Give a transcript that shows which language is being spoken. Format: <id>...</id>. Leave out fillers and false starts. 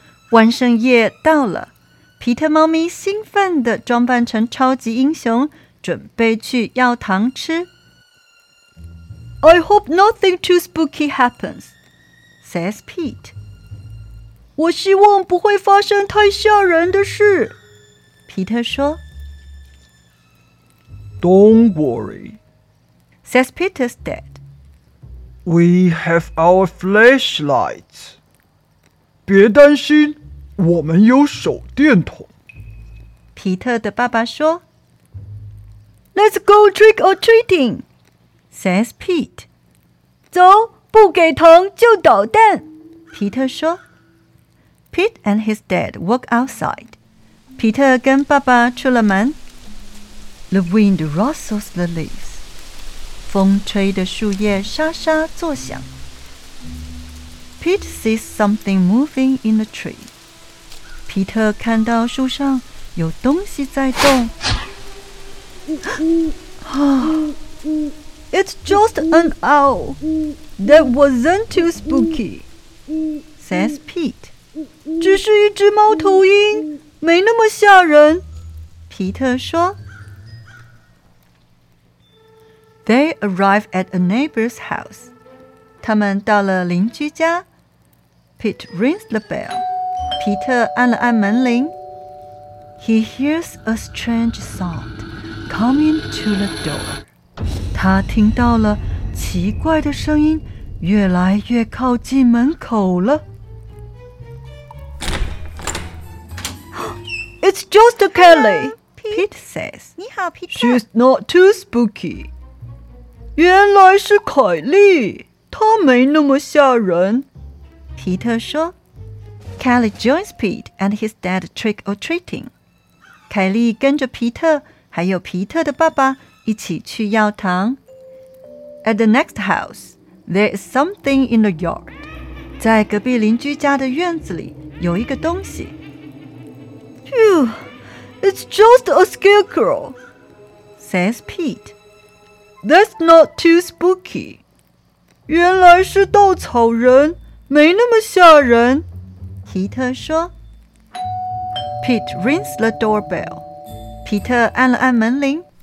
<zh>万圣夜到了，皮特猫咪兴奋地装扮成超级英雄，准备去要糖吃。</zh> <en>I hope nothing too spooky happens, says Pete.</en> <zh>我希望不会发生太吓人的事，皮特说。</zh> <en>Don't worry, says Peter's dad. We have our flashlights.</en> <zh>别担心，我们有手电筒。皮特的爸爸说。</zh> <en>Let's go trick or treating, says Pete.</en> <zh>走，不给糖就捣蛋，皮特说。</zh> <en>Pete and his dad walk outside.</en> <zh>皮特跟爸爸出了门。</zh> <en>The wind rustles the leaves.</en> <zh>风吹的树叶沙沙作响。</zh> <en>Pete sees something moving in the tree.</en> <zh>皮特看到树上有东西在动。</zh> <en>It's just an owl. That wasn't too spooky, says Pete.</en> <zh>只是一只猫头鹰，没那么吓人，皮特说。</zh> <en>They arrive at a neighbor's house.</en> <zh>他们到了邻居家。</zh> <en>Pete rings the bell.</en> <zh>皮特按了按门铃。</zh> <en>He hears a strange sound coming to the door.</en> <zh>他听到了奇怪的声音，越来越靠近门口了。</zh> <en>It's just a Kelly, Pete says.</en> <zh>你好，皮特。</zh> <en>She's not too spooky.</en> <zh>原来是凯莉，她没那么吓人。皮特说。</zh> <en>Kelly joins Pete and his dad trick or treating.</en> <zh>凯莉跟着皮特还有皮特的爸爸一起去要糖。</zh> <en>At the next house, there is something in the yard.</en> <zh>在隔壁邻居家的院子里有一个东西。</zh> <en>Phew, it's just a scarecrow, says Pete. That's not too spooky.</en> <zh>原来是稻草人，没那么吓人。皮特说。</zh> <en>Pete rings the doorbell.</en> <zh>皮特按了按门铃。</zh>